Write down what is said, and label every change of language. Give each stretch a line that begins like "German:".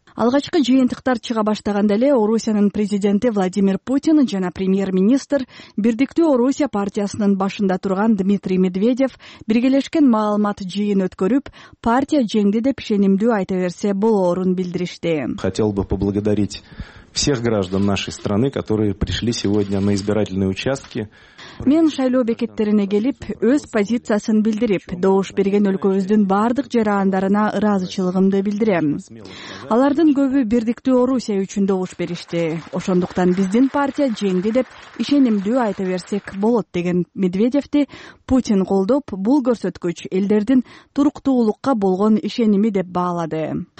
Kyrgyz: Алгачкы жыйынтыктар чыга баштаганда эле Орусиянын президенти Владимир Путин жана премьер-министр Бирдиктүү Орусия партиясынын башында турган Дмитрий Медведев биргелешкен маалымат жыйын өткөрүп, партия жеңди деп ишенимдүү айта берсе болоорун билдиришти.
Russian: Хотел бы поблагодарить всех граждан нашей страны, которые пришли сегодня на избирательные участки.
Kyrgyz: Мен шайлоо бекеттерине келип, өз позициясын билдирип, добуш берген өлкөбүздүн бардык жарандарына ыраазычылыгымды билдирем. Алардын көбү Бирдиктүү Орусия үчүн добуш беришти. Ошондуктан биздин партия жеңди деп ишенимдүү айта берсек болот деген Медведевти Путин колдоп, бул көрсөткүч элдердин туруктуулукка болгон ишеними деп баалады.